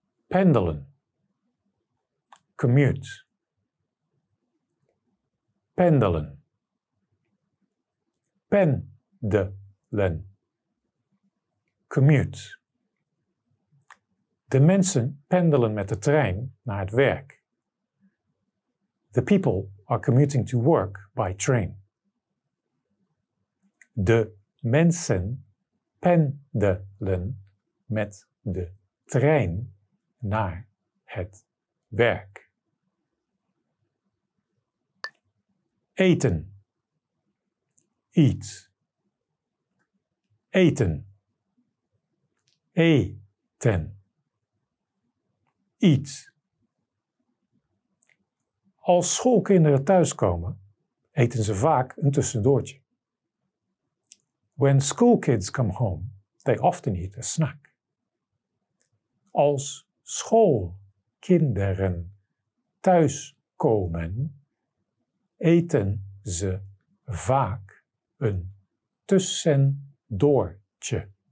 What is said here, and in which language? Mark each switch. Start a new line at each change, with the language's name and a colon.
Dutch: Pendelen, commute. Pendelen, pendelen, commute. De mensen pendelen met de trein naar het werk.
English: The people are commuting to work by train.
Dutch: De mensen pendelen met de trein naar het werk. Eten. Eat. Eten. Eten. Eat. Als schoolkinderen thuiskomen, eten ze vaak een tussendoortje.
English: When school kids come home, they often eat a snack.
Dutch: Als schoolkinderen thuiskomen, eten ze vaak een tussendoortje.